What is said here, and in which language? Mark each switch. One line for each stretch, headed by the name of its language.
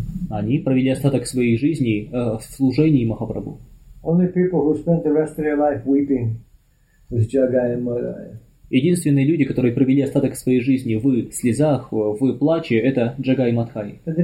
Russian: Они провели остаток своей жизни в служении Махапрабху.
English: Only people who spent the rest of their life weeping was Jagai and Madai.
Russian: Единственные люди, которые провели остаток своей жизни в слезах, в плаче, это Джагай и Мадхай.